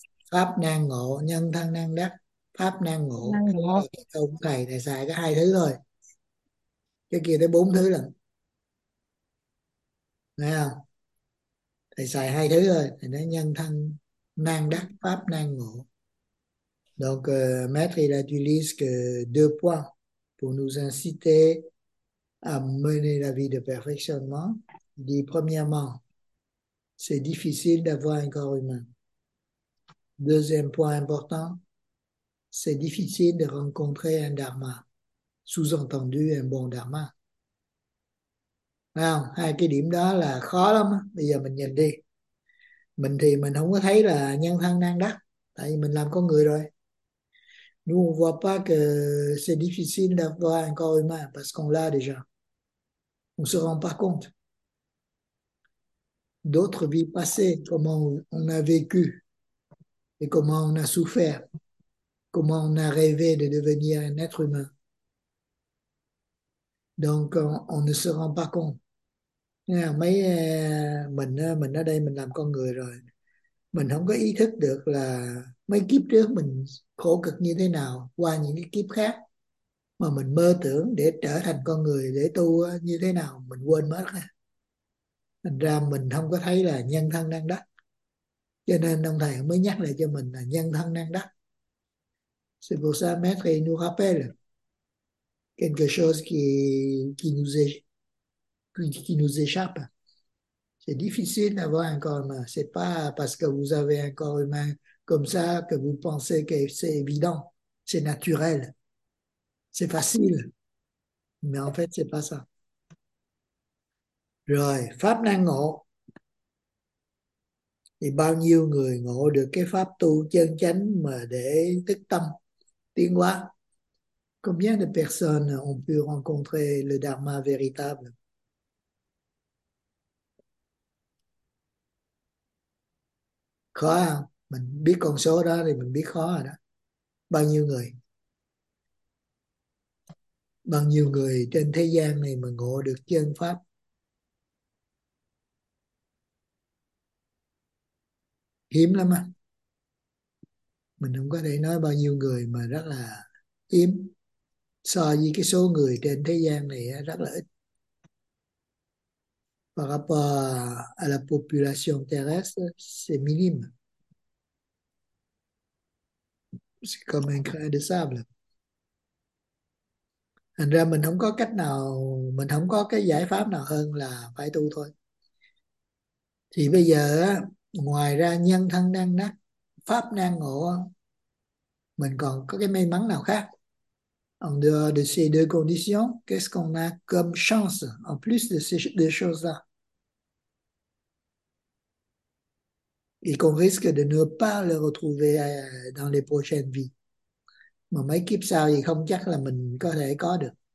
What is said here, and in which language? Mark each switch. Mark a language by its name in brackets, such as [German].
[Vietnamese] pháp năng ngộ, nhân thân năng đắc, pháp năng ngộ, năng cái đó ngộ. là cái câu của thầy, thầy xài cái hai thứ thôi, cái kia tới bốn thứ lần nè, thầy xài hai thứ thôi, thầy nói nhân thân năng đắc, pháp năng ngộ. [French] Donc, maître il utilise que deux points pour nous inciter à mener la vie de perfectionnement. Il dit, premièrement, c'est difficile d'avoir un corps humain. Deuxième point important, c'est difficile de rencontrer un dharma, sous-entendu un bon dharma. [Vietnamese] Alors, hai cái điểm đó là khó lắm. Bây giờ mình nhìn đi. Mình thì mình không có thấy là nhân thân năng đắc, tại vì mình làm con người rồi. [French] Nous, on ne voit pas que c'est difficile d'avoir un corps humain parce qu'on l'a déjà. On ne se rend pas compte. D'autres vies passées, comment on a vécu et comment on a souffert, comment on a rêvé de devenir un être humain. Donc, on ne se rend pas compte. [Vietnamese] Mình ở đây mình làm con người rồi. Mình không có ý thức được là mấy kiếp trước mình khổ cực như thế nào qua những cái kiếp khác mà mình mơ tưởng để trở thành con người để tu như thế nào mình quên mất ha. Thành ra mình không có thấy là nhân thân năng đắc. Cho nên ông thầy mới nhắc lại cho mình là nhân thân năng đắc. [French] C'est pour ça maître il nous rappelle quelque chose qui nous échappe. C'est difficile d'avoir un corps humain. C'est pas parce que vous avez un corps humain comme ça que vous pensez que c'est évident, c'est naturel, c'est facile. Mais en fait, c'est pas ça. [Vietnamese] Rồi, pháp năng ngộ. Thì bao nhiêu người ngộ được cái pháp tu chân chánh mà để thức tâm tiến hóa? [French] Combien de personnes ont pu rencontrer le dharma véritable? [Vietnamese] Khó không? Mình biết con số đó thì mình biết khó rồi đó. Bao nhiêu người? Bao nhiêu người trên thế gian này mà ngộ được chân pháp? Hiếm lắm á. Mình không có thể nói bao nhiêu người mà rất là hiếm. So với cái số người trên thế gian này rất là ít. [French] par rapport à la population terrestre, c'est minime. C'est comme un grain de sable. [Vietnamese] Thành ra mình không có cách nào, mình không có cái giải pháp nào hơn là phải tu thôi. Thì bây giờ á, ngoài ra nhân thân đang đắc, pháp đang ngộ, mình còn có cái may mắn nào khác? [French] En dehors de ces deux conditions, qu'est-ce qu'on a comme chance en plus de ces deux choses-là? Et qu'on risque de ne pas le retrouver dans les prochaines vies. [Vietnamese] Mà mấy kiếp sau thì không chắc là mình có thể có được.